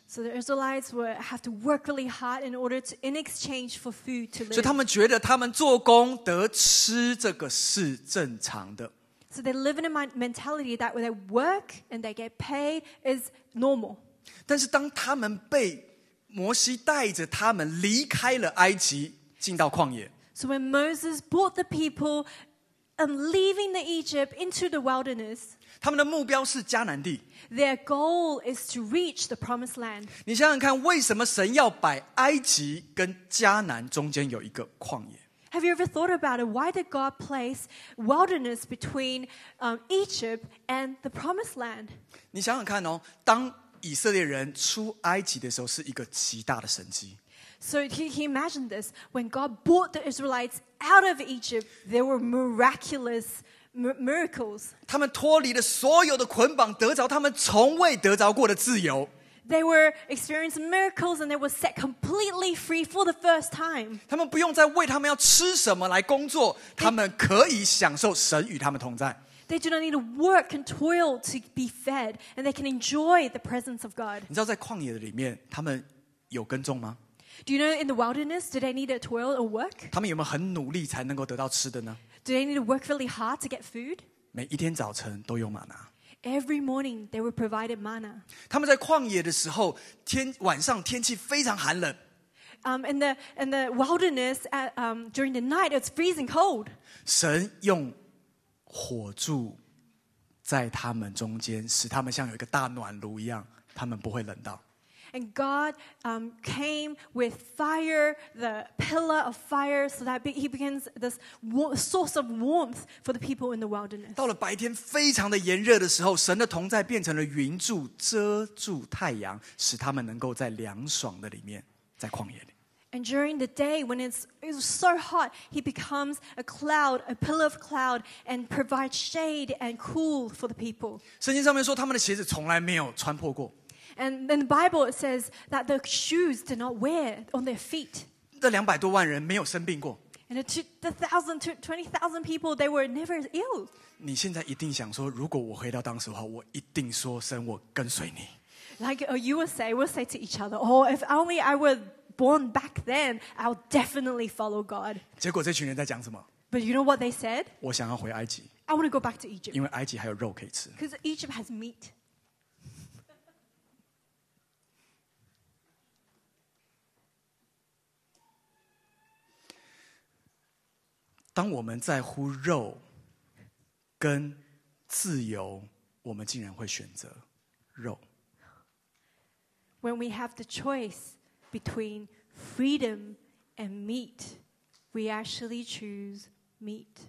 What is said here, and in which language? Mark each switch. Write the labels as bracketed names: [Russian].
[English] So the Israelites would have to work really hard in order to in exchange for food to live. [Chinese] 所以他们觉得他们做工得吃这个是正常的。 [English] So they live in a mentality that when they work and they get paid is normal. [Chinese] 但是当他们被摩西带着他们离开了埃及，进到旷野。 [English] So when Moses brought the people and leaving the Egypt into the wilderness, [Chinese] 他们的目标是迦南地。 [English] Their goal is to reach the promised land. [Chinese] 你想想看，为什么神要摆埃及跟迦南中间有一个旷野？ [English] Have you ever thought about it? Why did God place wilderness between Egypt and the promised land? [Chinese] 你想想看哦，当以色列人出埃及的时候，是一个极大的神迹。 [English] So he imagined this when God brought the Israelites out of Egypt. There were miraculous miracles. [Chinese] 他们脱离了所有的捆绑，得着他们从未得着过的自由。 [English] They were experiencing miracles and they were set completely free for the first time. [Chinese] 他们不用再为他们要吃什么来工作，他们可以享受神与他们同在。 [English] They do not need to work and toil to be fed, and they can enjoy the presence of God. [Chinese] 你知道在旷野里面，他们有耕种吗？ [English] Do you know in the wilderness, do they need to toil or work? [Chinese] 他们有没有很努力才能够得到吃的呢？ [English] Do they need to work really hard to get food? [Chinese] 每一天早晨都有玛拿。 [English] Every morning they were provided manna. [Chinese] 他们在旷野的时候，天晚上天气非常寒冷。 [English] In the wilderness, during the night it's freezing cold. [Chinese] 神用火柱在他们中间，使他们像有一个大暖炉一样，他们不会冷到。 [English] And God came with fire, the pillar of fire, so that he begins this source of warmth for the people in the wilderness. [Chinese] 到了白天非常的炎热的时候，神的同在变成了云柱遮住太阳，使他们能够在凉爽的里面，在旷野里。 [English] And during the day, when it's so hot, he becomes a cloud, a pillar of cloud, and provides shade and cool for the people. [Chinese] 圣经上面说，他们的鞋子从来没有穿破过。 [English] And in the Bible it says that the shoes did not wear on their feet. [Chinese] 这两百多万人没有生病过。 [English] And the 20,000 people, they were never ill. [Chinese] 你现在一定想说，如果我回到当时的话，我一定说声我跟随你。 [English] Like you would say, we'll say to each other, oh, if only I were born back then, I'll definitely follow God. [Chinese] 结果这群人在讲什么？ [English] But you know what they said? [Chinese] 我想要回埃及。 [English] I want to go back to Egypt. [Chinese] 因为埃及还有肉可以吃。 [English] Because Egypt has meat. [Chinese] 当我们在乎肉跟自由，我们竟然会选择肉。 [English] When we have the choice between freedom and meat, we actually choose meat.